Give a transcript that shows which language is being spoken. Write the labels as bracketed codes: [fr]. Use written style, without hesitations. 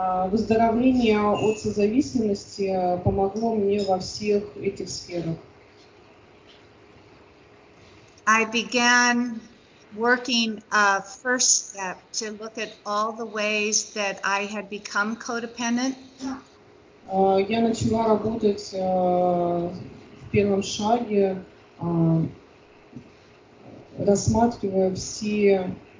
[ru] Выздоровление от созависимости помогло мне во всех этих сферах. [en] I began working a first step to look at all the ways that I had become codependent. [ru] Я начала работать в первом шаге, рассматривая все...